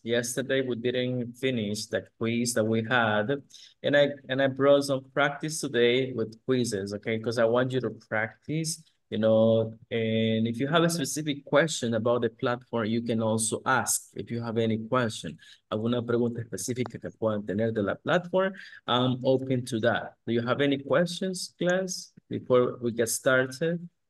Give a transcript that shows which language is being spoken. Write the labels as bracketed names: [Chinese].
[English] Yesterday, we didn't finish the quiz that we had. And I brought some practice today with quizzes, okay? Because I want you to practice, you know. And if you have a specific question about the platform, you can also ask if you have any question. [Spanish] Alguna pregunta específica que puedan tener de la plataforma. [English] I'm open to that. Do you have any questions, class, before we get started?